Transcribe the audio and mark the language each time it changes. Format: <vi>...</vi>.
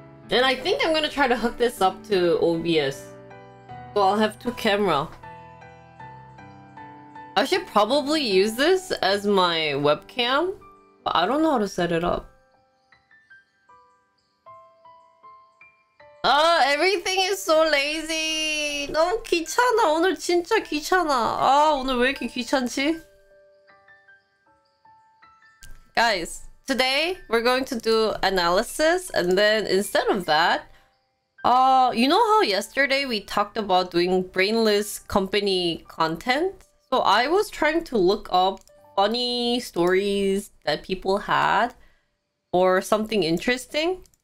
<en>And I think I'm gonna try to hook this up to OBS. So I'll have two cameras. I should probably use this as my webcam, but I don't know how to set it up. Oh, everything is so lazy.</en> <ko>너무 귀찮아. 오늘 진짜 귀찮아. 아, 오늘 왜 이렇게 귀찮지?</ko> <en>Guys, today we're going to do analysis, and then instead of that, you know how yesterday we talked about doing brainless company content? So I was trying to look up funny stories that people had or something interesting.</en>